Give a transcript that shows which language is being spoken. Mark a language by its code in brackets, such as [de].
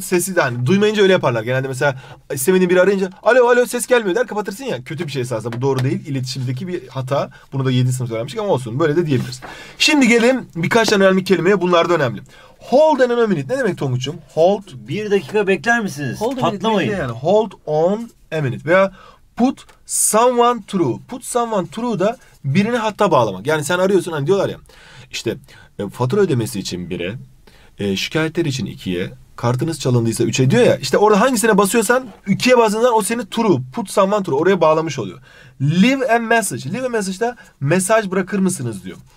[tr] Sesi yani duymayınca öyle yaparlar. Genelde mesela istemediğin biri arayınca alo alo ses gelmiyor der kapatırsın ya. Kötü bir şey esasında. Bu doğru değil. İletişimdeki bir hata. Bunu da 7. sınıf öğrenmiştik ama olsun. Böyle de diyebiliriz. Şimdi gelelim birkaç tane önemli kelimeye. Bunlar da önemli. [en] Hold on a minute. [tr] Ne demek Tonguç'um? Hold. Bir dakika bekler misiniz? [en] Hold [tr] patlamayın. Yani. [en] Hold on a minute. [tr] Veya [en] put someone through. Put someone through [tr] da birini hatta bağlamak. Yani sen arıyorsun hani diyorlar ya. İşte fatura ödemesi için 1'e, şikayetler için 2'ye, kartınız çalındıysa 3'e diyor ya. İşte orada hangisine basıyorsan 2'ye bazından o seni through. [en] Put someone through. [tr] Oraya bağlamış oluyor. [en] Leave a message. Leave a message [tr] da mesaj bırakır mısınız diyor.